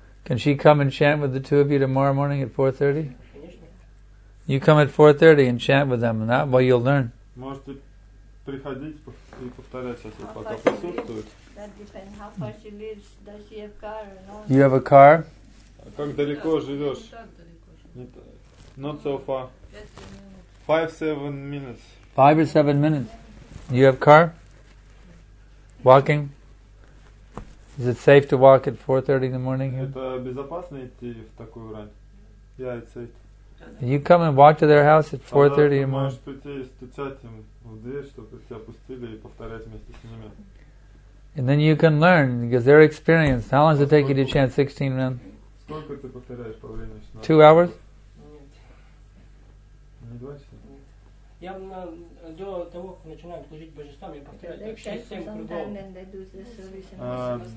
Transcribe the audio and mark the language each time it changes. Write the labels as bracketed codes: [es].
[en] Can she come and chant with the two of you tomorrow morning at 4:30? You come at 4:30 and chant with them, and that way you'll learn. [ru] Можете приходить и повторять сейчас, пока присутствует. [en] That depends how far she lives. Does she have car? No. You have a car? [ru] Как далеко живешь? [en] Not so far. 5-7 minutes. 5 or 7 minutes. You have car? Walking? Is it safe to walk at 4:30 in the morning here? [ru] Это безопасно идти в такую рань? [en] Yeah, it's safe. You come and walk to their house at 4:30 in the morning. [ru] Можешь прийти и стучать им в дверь, чтобы тебя пустили и повторять вместе с ними. [en] And then you can learn because they're experienced. How long does it take you to chant 16 men? [ru] Сколько ты повторяешь по времени? [en] 2 hours? [ru] Не 2 часа. До того, как начинаем служить божествам, я повторяю 6-7 кругов.